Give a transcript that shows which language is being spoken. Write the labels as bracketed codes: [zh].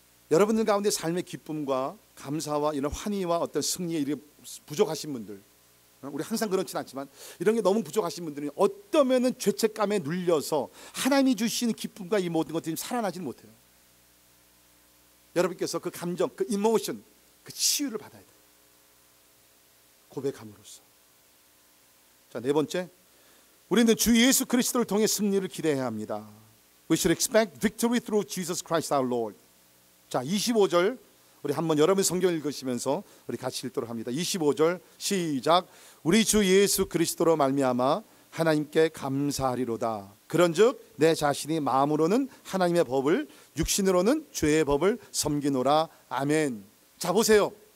[ko] 여러분들 가운데 삶의 기쁨과 감사와 이런 환희와 어떤 승리에 이렇게 부족하신 분들 우리 항상 그렇진 않지만 이런 게 너무 부족하신 분들은 어떠면 죄책감에 눌려서 하나님이 주시는 기쁨과 이 모든 것들이 살아나지는 못해요. 여러분께서 그 감정, 그 이모션, 그 치유를 받아야 돼요. 고백함으로써. 자, 네 번째. 우리는 주 예수 그리스도를 통해 승리를 기대해야 합니다. [en] We should expect victory through Jesus Christ our Lord. [ko] 자, 25절 우리 한번 여러분 성경 읽으시면서 우리 같이 읽도록 합니다. 25절 시작. 우리 주 예수 그리스도로 말미암아 하나님께 감사하리로다. 그런즉 내 자신이 마음으로는 하나님의 법을 육신으로는 죄의 법을 섬기노라. 아멘. 자 보세요.